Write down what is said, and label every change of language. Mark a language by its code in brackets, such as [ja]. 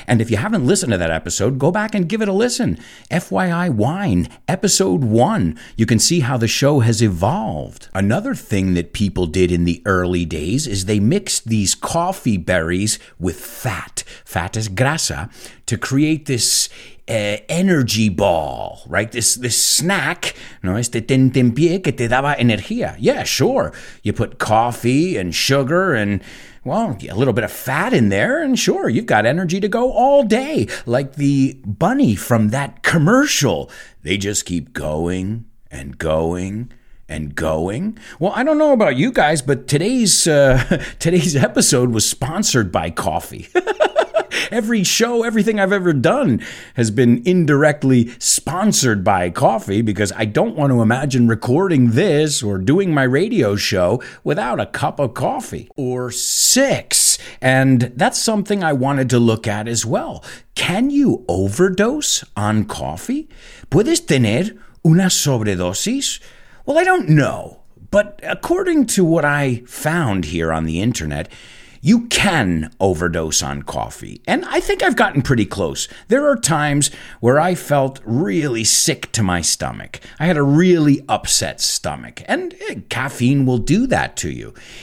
[en] And if you haven't listened to that episode, go back and give it a listen. FYI Wine, Episode 1. You can see how the show has evolved. Another thing that people did in the early days is they mixed these coffee berries with fat. Fat is grasa, to create this energy ball, right? This snack, [es] no, este tentempié que te daba energía. [en] Yeah, sure. You put coffee and sugar and, well, a little bit of fat in there, and sure, you've got energy to go all day. Like the bunny from that commercial. They just keep going and going and going. Well, I don't know about you guys, but today's episode was sponsored by coffee. Every show, everything I've ever done has been indirectly sponsored by coffee, because I don't want to imagine recording this or doing my radio show without a cup of coffee. Or six. And that's something I wanted to look at as well. Can you overdose on coffee? [es] ¿Puedes tener una sobredosis? [en] Well, I don't know. But according to what I found here on the internet, you can overdose on coffee. And I think I've gotten pretty close. There are times where I felt really sick to my stomach. I had a really upset stomach. And caffeine will do that to you.